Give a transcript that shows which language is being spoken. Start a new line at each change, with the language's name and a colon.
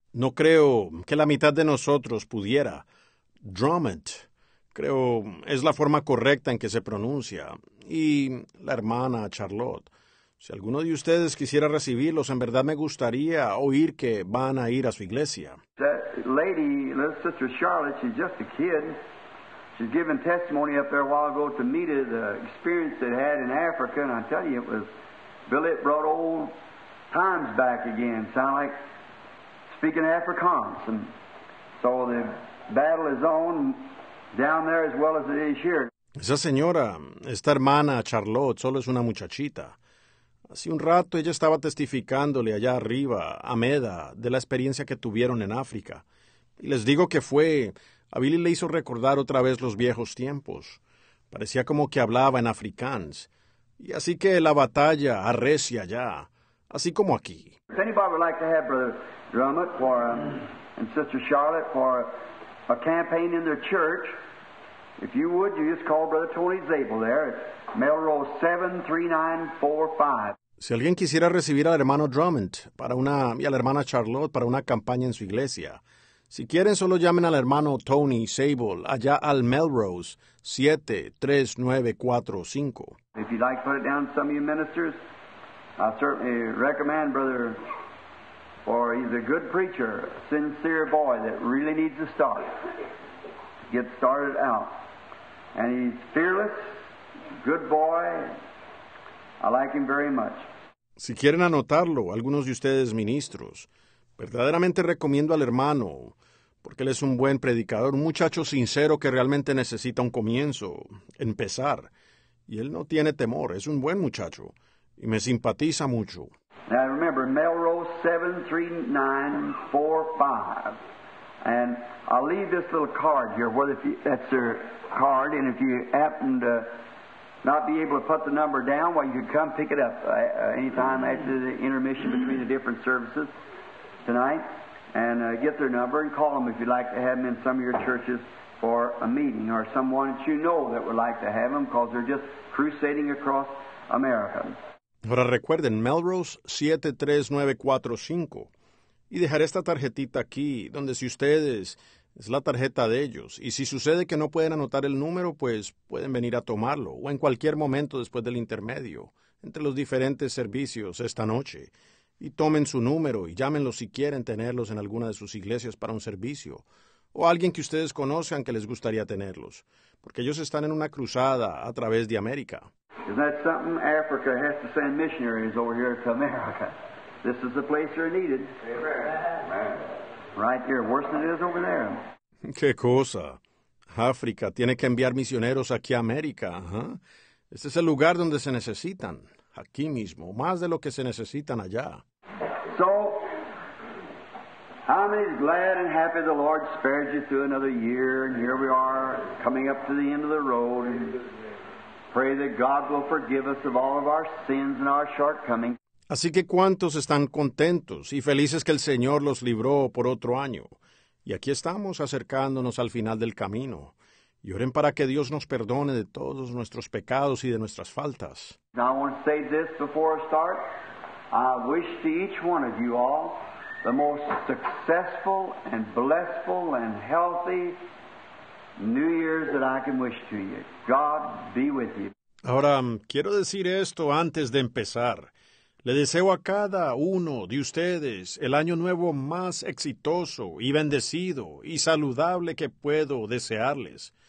Spanish: No creo que la mitad de nosotros pudiera. Drummond, creo, es la forma correcta en que se pronuncia. Y la hermana Charlotte. Si alguno de ustedes quisiera recibirlos, en verdad me gustaría oír que van a ir a su iglesia.
English: That lady, little sister Charlotte, she's just a kid. She's giving testimony up there a while ago to meet the experience they had in Africa, and I tell you, it brought old times back again. Sound like speaking Afrikaans. And so the battle is on down there as well as it is here.
Spanish: Esa señora, esta hermana Charlotte, solo es una muchachita. Hace un rato ella estaba testificándole allá arriba, a Meda, de la experiencia que tuvieron en África. Y les digo que fue, a Billy le hizo recordar otra vez los viejos tiempos. Parecía como que hablaba en Afrikaans. Y así que la batalla arrecia allá, así como aquí.
English: Si anybody would like to have Brother Drummond for, and Sister Charlotte for a campaign in their church, if you would, you just call Brother Tony Zabel there at Melrose 73945.
Spanish: Si alguien quisiera recibir al hermano Drummond para una, y a la hermana Charlotte para una campaña en su iglesia, si quieren, solo llamen al hermano Tony Zabel allá al Melrose 73945.
English: If you'd like to put it down to some of you ministers, I certainly recommend Brother, for he's a good preacher, a sincere boy that really needs to start. Get started out. And he's fearless, good boy. I like him very much.
Spanish: Si quieren anotarlo, algunos de ustedes ministros, verdaderamente recomiendo al hermano, porque él es un buen predicador, un muchacho sincero que realmente necesita un comienzo, empezar. Y él no tiene temor, es un buen muchacho. Y me simpatiza mucho.
English: Now remember, Melrose 73945. And I'll leave this little card here, whether that's their card. And if you happen to not be able to put the number down, well, you can come pick it up anytime after the intermission between the different services tonight. And get their number and call them if you'd like to have them in some of your churches for a meeting or someone that you know that would like to have them because they're just crusading across America.
Spanish: Ahora recuerden, Melrose 73945. Y dejaré esta tarjetita aquí, donde si ustedes, es la tarjeta de ellos. Y si sucede que no pueden anotar el número, pues pueden venir a tomarlo. O en cualquier momento después del intermedio, entre los diferentes servicios esta noche. Y tomen su número y llámenlos si quieren tenerlos en alguna de sus iglesias para un servicio. O alguien que ustedes conozcan que les gustaría tenerlos. Porque ellos están en una cruzada a través de América.
English: Is that something Africa has to send missionaries over here to America? This is the place you're needed. Amen. Right here, worse than it is over there.
Spanish: ¿Qué cosa? África tiene que enviar misioneros aquí a América. Este es el lugar donde se necesitan. Aquí mismo, más de lo que se necesitan allá.
English: So, how many is glad and happy the Lord spared you through another year, and here we are coming up to the end of the road, and pray that God will forgive us of all of our sins and our shortcomings.
Spanish: Así que ¿cuántos están contentos y felices que el Señor los libró por otro año? Y aquí estamos acercándonos al final del camino. Y oren para que Dios nos perdone de todos nuestros pecados y de nuestras faltas.
English: Now I want to say this before I start. I wish to each one of you all the most successful and blessful and healthy New Year's that I can wish to you. God be with you.
Spanish: Ahora, quiero decir esto antes de empezar. Le deseo a cada uno de ustedes el año nuevo más exitoso y bendecido y saludable que puedo desearles.